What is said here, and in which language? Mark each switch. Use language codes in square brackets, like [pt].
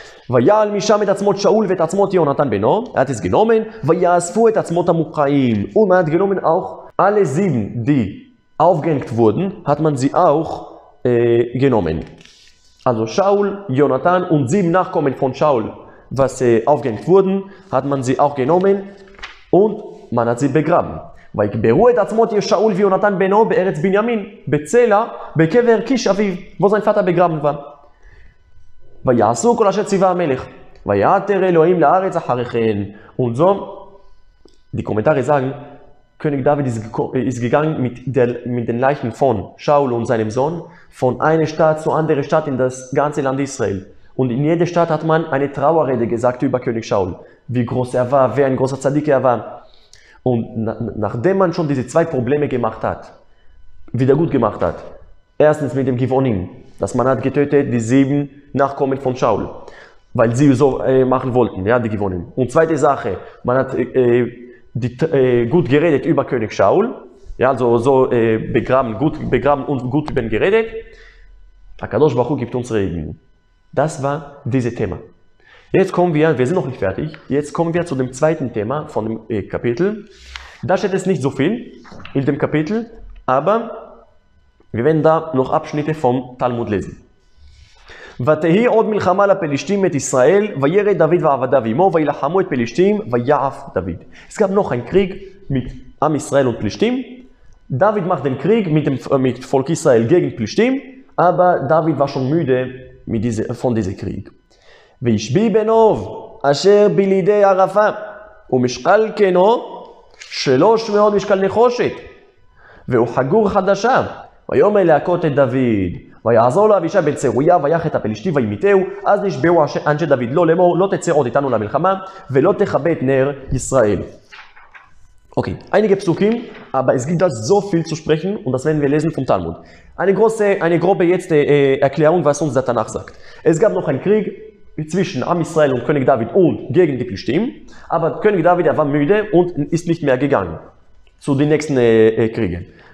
[he] ויעל משם את עצמות שאול ואת עצמות יונתן בנו, את יש גנומן, ויאספו את עצמות המוקעים. [de] Und man hat genommen auch alle sieben, die aufgehängt wurden, hat man sie auch genommen. Also Shaul, Jonathan und sieben Nachkommen von Shaul, was aufgehängt wurden, hat man sie auch genommen und man hat sie begraben. [he] ויקברו את עצמות שאול ויונתן בנו בארץ בנימין, בצלע, בקבר קיש אביו, [de] wo sein Vater begraben war. [he] ויעשו כל אשר ציווה המלך. ויעתר אלוהים לארץ אחריכן. [de] Und so, die Kommentare sagen, König David ist gegangen mit den Leichen von Shaul und seinem Sohn von einer Stadt zur anderen Stadt in das ganze Land Israel. Und in jeder Stadt hat man eine Trauerrede gesagt über König Shaul. Wie groß er war, wer ein großer Tzadik er war. Und nachdem man schon diese zwei Probleme gemacht hat, wieder gut gemacht hat, Erstens mit dem Givonim, dass man hat getötet die sieben Nachkommen von Shaul, weil sie so machen wollten, ja, die Givonim. Und zweite Sache, man hat gut geredet über König Shaul, ja, also so begraben, gut begraben und gut über ihn geredet. Akadosh Baruch Hu gibt uns Regen. Das war dieses Thema. Jetzt kommen wir sind noch nicht fertig, jetzt kommen wir zu dem zweiten Thema von dem Kapitel. Da steht es nicht so viel in dem Kapitel, aber wir werden da noch Abschnitte vom Talmud lesen. [he] ותהי עוד מלחמה לפלישתים את ישראל, וירא דוד ועבדיו עמו, וילחמו את פלישתים, ויעף דוד. [de] Es gab noch einen Krieg mit Am Israel und Plishtim. David macht den Krieg mit Volk Israel gegen Plishtim, aber David war schon müde von diesem Krieg. [he] וישבי בנוב אשר בלידי ערפה, ומשקל כנו 300 משקל נחושת, והוא חגור חדשה, ויאמר להכות את דוד. ויעזור לו אבישי בן צרויה, ויך את הפלישתי וימיתהו, אז נשבעו אנשי דוד לו לאמור, לא תצא עוד איתנו למלחמה, ולא תכבה את נר ישראל. [de] Okay, einige Psukim, aber es gibt da so viel zu sprechen und das werden wir lesen vom Talmud. Eine grobe jetzt Erklärung, was uns der Tanach sagt. Es gab noch einen Krieg zwischen Am Israel und König David und gegen die Plishtim, aber König David war müde und ist nicht mehr gegangen zu den nächsten Kriegen.